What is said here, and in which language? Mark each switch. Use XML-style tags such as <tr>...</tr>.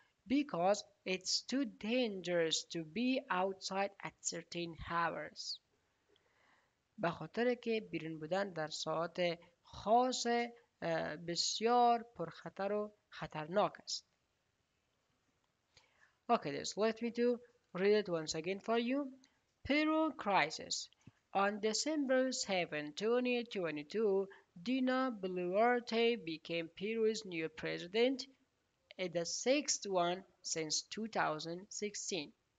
<en>Because it's too dangerous to be outside at certain hours.</en> <fa>به خاطر که بیرون بودن در ساعات خاص بسیار پرخطر و خطرناک است.</fa> <en>Okay, this let me to read it once again for you. Peru crisis. On December 7, 2022, Dina Boluarte became Peru's new president, the sixth one since 2016.</en>